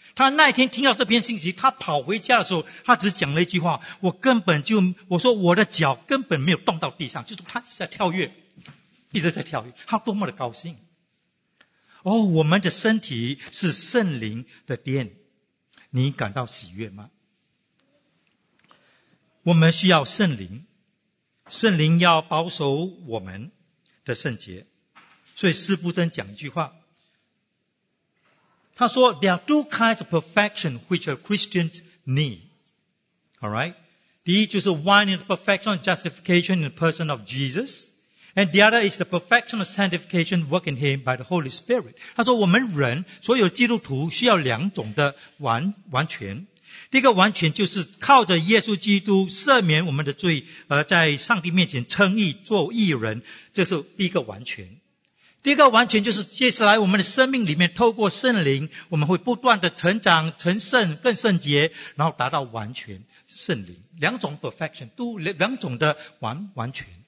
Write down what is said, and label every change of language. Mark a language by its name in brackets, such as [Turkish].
[Chinese] 他那一天听到这篇信息，他跑回家的时候，他只讲了一句话，我说我的脚根本没有动到地上，就是他一直在跳跃，一直在跳跃，他多么的高兴。哦，我们的身体是圣灵的殿，你感到喜悦吗？我们需要圣灵，圣灵要保守我们的圣洁。所以司布真讲一句话，他说 [English] ,there are two kinds of perfection which a Christian needs. Alright? [Chinese] 第一就是 [English] one is the perfection of justification in the person of Jesus, and the other is the perfection of sanctification work in him by the Holy Spirit. [Chinese] 他说我们人所有基督徒需要两种的完全。第一个完全就是靠着耶稣基督赦免我们的罪，而在上帝面前称义做义人，这是第一个完全。第一个完全就是接下来我们的生命里面透过圣灵，我们会不断的成长成圣，更圣洁，然后达到完全圣灵，两种 perfection 都两种的完全。